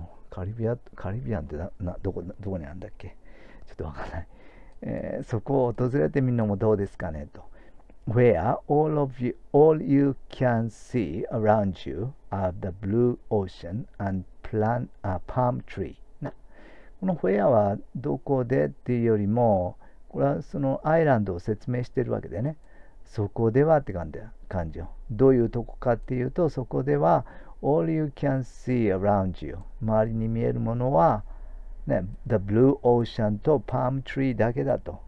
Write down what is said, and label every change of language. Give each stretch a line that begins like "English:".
Japanese: カリビアンってどこにあるんだっけ？ちょっとわかんない。そこを訪れてみるのもどうですかねと。
English: Where all you can see around you are the blue ocean and palm tree.
Japanese: この Where はどこでっていうよりも、これはそのアイランドを説明してるわけでね。そこではって感じよ。どういうとこかっていうと、そこでは
English: all you can see around you。
Japanese: 周りに見えるものは、ね、
English: the blue ocean
Japanese: と palm tree だけだと。